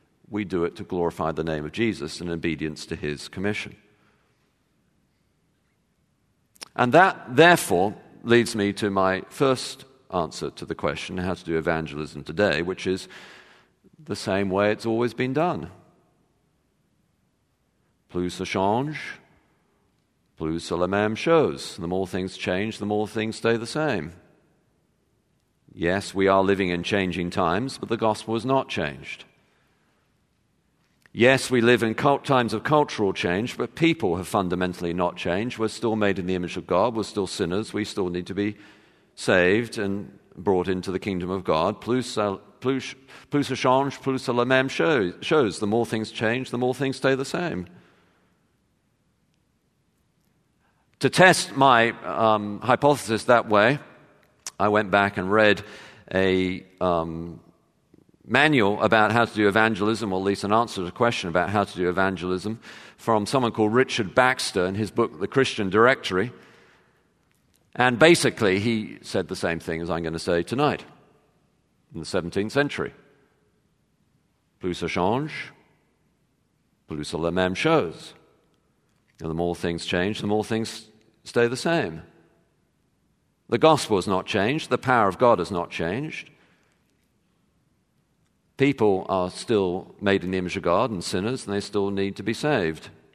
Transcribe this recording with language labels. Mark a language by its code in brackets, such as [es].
[en] We do it to glorify the name of Jesus in obedience to His commission. And that, therefore, leads me to my first answer to the question, how to do evangelism today, which is the same way it's always been done. [fr] Plus ça change, plus la même chose. [en] The more things change, the more things stay the same. Yes, we are living in changing times, but the gospel has not changed. Yes, we live in times of cultural change, but people have fundamentally not changed. We're still made in the image of God. We're still sinners. We still need to be saved and brought into the kingdom of God. [fr] Plus ça change, plus la même chose. [en] The more things change, the more things stay the same. To test my hypothesis that way, I went back and read a manual about how to do evangelism, or at least an answer to a question about how to do evangelism, from someone called Richard Baxter in his book, The Christian Directory. And basically, he said the same thing as I'm going to say tonight, in the 17th century. [fr] Plus ça change, plus la même chose. [en] And the more things change, the more things stay the same. The gospel has not changed. The power of God has not changed. People are still made in the image of God and sinners, and they still need to be saved.